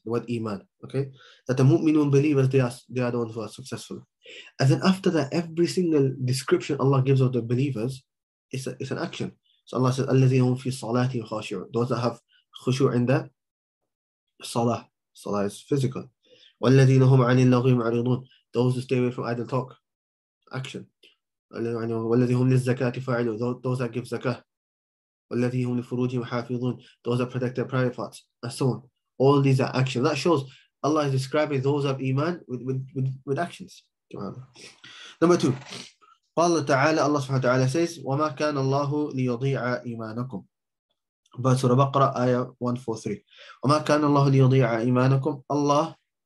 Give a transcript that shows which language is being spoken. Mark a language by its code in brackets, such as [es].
[en] The word إيمان. Okay. That the مؤمنون believers they are the ones who are successful. And then after that, every single description Allah gives of the believers, it's an action. So Allah says [ar] الذين هم في صلاتهم خاشعون. [en] Those that have خشوع in the صلاه. Salah is physical. [ar] والذين هم عن اللغو معرضون [en] those who stay away from idle talk action [ar] والذين هم للزكاة فاعلون [en] those that give zakah [ar] والذين هم لفروجهم حافظون [en] those that protect their private parts and so on all these are actions that shows Allah is describing those of iman with actions number two [ar] قال تعالى [en] الله سبحانه وتعالى says [ar] وما كان الله ليضيع إيمانكم [en] Surah Baqarah ayah 143 وما كان الله ليضيع إيمانكم Allah